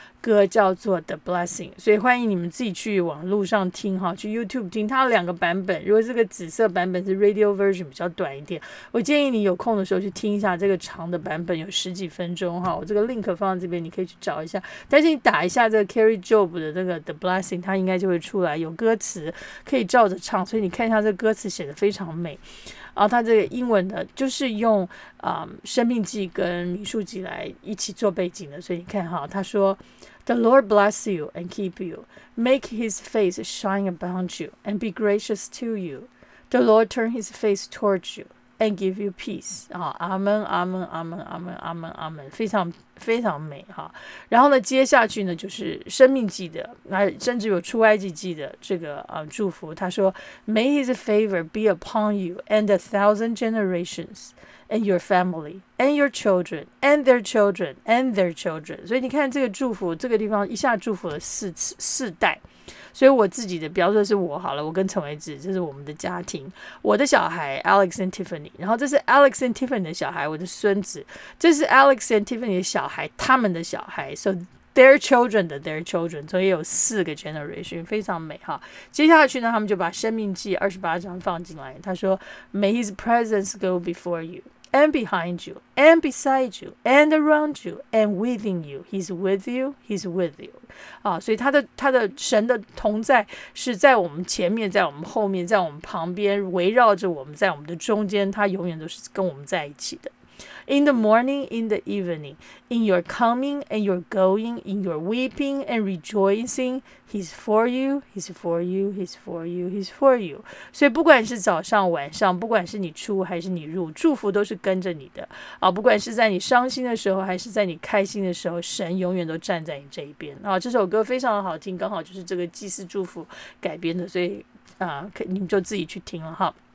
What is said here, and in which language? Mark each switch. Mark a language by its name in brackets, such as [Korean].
[Chinese] 歌叫做 The Blessing， 所以欢迎你们自己去网路上听哈，去 YouTube 听，它有两个版本，如果这个紫色版本是 Radio Version 比较短一点，我建议你有空的时候去听一下这个长的版本，有十几分钟哈，我这个 link 放在这边，你可以去找一下，但是你打一下这个 Carrie Job 的那个 The Blessing， 它应该就会出来，有歌词可以照着唱，所以你看一下这个歌词写得非常美。然后他这个英文的就是用生命记跟民数记来一起做背景的，所以你看哈，他说 [English] The Lord bless you and keep you, make his face shine upon you and be gracious to you, The Lord turn his face towards you and give you peace、 [Chinese] 啊、阿们阿们阿们阿们阿们阿们，非常非常美哈。然后呢接下去呢就是生命记的，甚至有出埃及记的这个、祝福，他说 [English] May his favor be upon you and 1,000 generations and your family and your children and their children and their children。 [Chinese] 所以你看这个祝福，这个地方一下祝福了四代，所以我自己的，比方说是我好了，我跟陈维子，这是我们的家庭，我的小孩 Alex and Tiffany， 然后这是 Alex and Tiffany 的小孩，我的孙子，这是 Alex and Tiffany 的小孩，他们的小孩， [English] so their children [Chinese] 的 [English] their children， [Chinese] 所以有四个 generation， 非常美哈。接下去呢，他们就把生命记二十八章放进来，他说 [English] May his presence go before youand behind you, and beside you, and around you, and within you. He's with you, he's with you.、 [Chinese] 啊、所以他的神的同在是在我们前面，在我们后面，在我们旁边，围绕着我们，在我们的中间，他永远都是跟我们在一起的。 [English] In the morning, in the evening, in your coming and your going, in your weeping and rejoicing, he's for you, he's for you, he's for you, he's for you. [Chinese] 所以不管是早上晚上，不管是你出还是你入，祝福都是跟着你的、啊、不管是在你伤心的时候还是在你开心的时候，神永远都站在你这一边、啊、这首歌非常好听，刚好就是这个祭司祝福改编的，所以、你们就自己去听了哈。